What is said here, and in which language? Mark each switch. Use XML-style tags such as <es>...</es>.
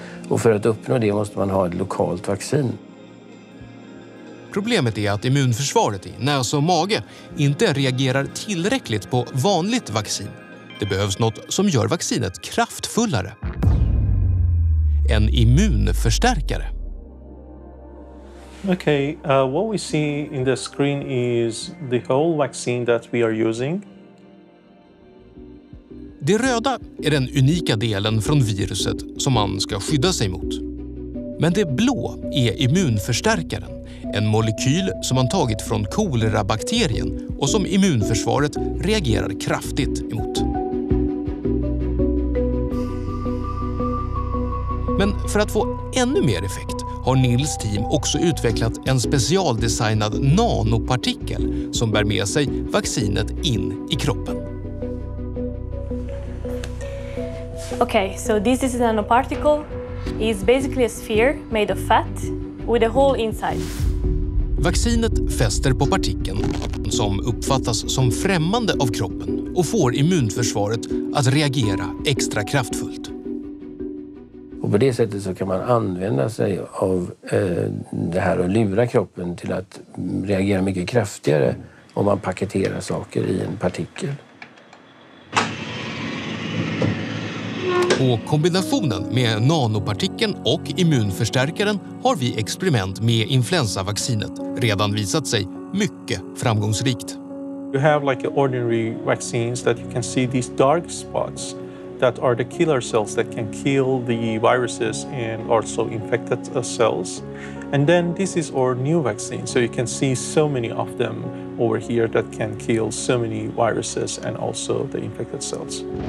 <sv>Och för att uppnå det måste man ha ett lokalt vaccin. Problemet är att immunförsvaret i näs och mage inte reagerar tillräckligt på vanligt vaccin. Det behövs något som gör vaccinet kraftfullare. En immunförstärkare.</sv> <en>Okay, what we see in the screen is the whole vaccine that we are using.</en> <sv>Det röda är den unika delen från viruset som man ska skydda sig mot. Men det blå är immunförstärkaren, en molekyl som man tagit från kolerabakterien och som immunförsvaret reagerar kraftigt emot. Men för att få ännu mer effekt har Nils team också utvecklat en specialdesignad nanopartikel som bär med sig vaccinet in i kroppen.</sv> <en>Okay, so this is a nanoparticle. It's basically a sphere made of fat with a hole inside.</en> <sv>Vaccinet fäster på partikeln som uppfattas som främmande av kroppen och får immunförsvaret att reagera extra kraftfullt. Och på det sättet så kan man använda sig av det här och lura kroppen till att reagera mycket kraftigare om man paketerar saker i en partikel. Och kombinationen med nanopartikeln och immunförstärkaren har vi experiment med influensavaccinet redan visat sig mycket framgångsrikt.</sv> <en>You have like ordinary vaccines that you can see these dark spots that are the killer cells that can kill the viruses and also infected cells. And then this is our new vaccine, so you can see so many of them over here that can kill so many viruses and also the infected cells.</en>